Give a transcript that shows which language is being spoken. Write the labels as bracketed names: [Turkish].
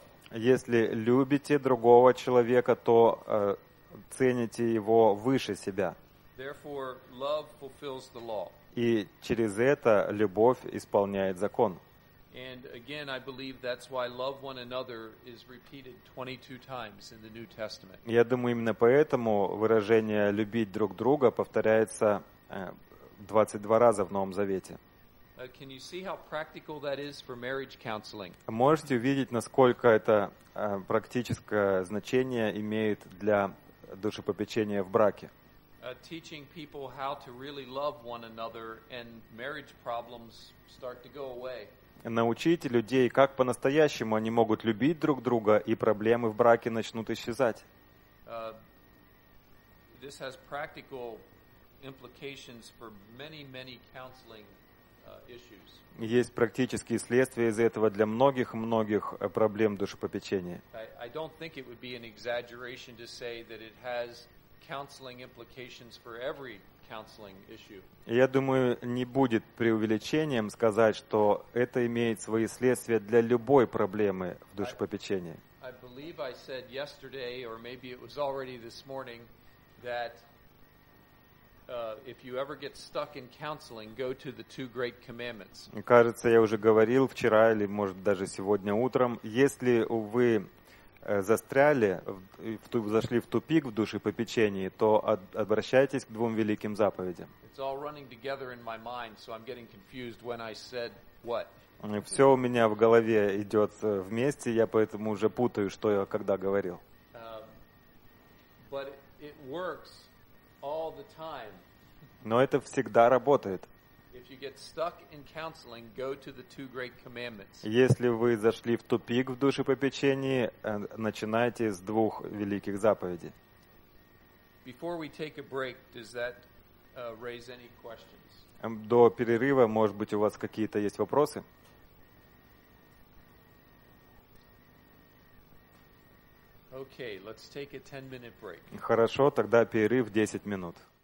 [Russian] Если любите другого человека, то цените его выше себя. [English] Therefore, love fulfills the law. [Russian] И через это любовь исполняет закон. [English] And again, I believe that's why love one another is repeated 22 times in the New Testament. [Russian] Я думаю, именно поэтому выражение «любить друг друга» повторяется 22 раза в Новом Завете. [English] Can you see how practical that is for marriage counseling? [Russian] Можете увидеть, насколько это практическое значение имеет для душепопечения в браке. [English] Teaching people how to really love one another and marriage problems start to go away. [Russian] Научите людей, как по-настоящему они могут любить друг друга, и проблемы в браке начнут исчезать. [English] This has practical implications for many, many counseling issues. [Russian] Есть практические следствия из этого для многих-многих проблем душепопечения. [English] I don't think it would be an exaggeration to say that it has counseling implications for every counseling issue. [Russian] Я думаю, не будет преувеличением сказать, что это имеет свои следствия для любой проблемы в душепопечении. [English] I believe I said yesterday, or maybe it was already this morning, that if you ever get stuck in counseling, go to the two great commandments. [Russian] Кажется, я уже говорил вчера или, может, даже сегодня утром, если вы застряли, зашли в тупик в душепопечении, то обращайтесь к двум великим заповедям. [English] It's all running together in my mind, so I'm getting confused when I said what. [Russian] Все у меня в голове идет вместе, я поэтому уже путаю, что я когда говорил. [English] But it works all the time. [Russian] Но это всегда работает. [English] If you get stuck in counseling, go to the two great commandments. [Russian] Если вы зашли в тупик в душепопечении, начинайте с двух великих заповедей. [English] Before we take a break, does that raise any questions? [Russian] До перерыва, может быть, у вас какие-то есть вопросы? [English] Okay, let's take a 10-minute break. [Russian] Хорошо, тогда перерыв 10 минут.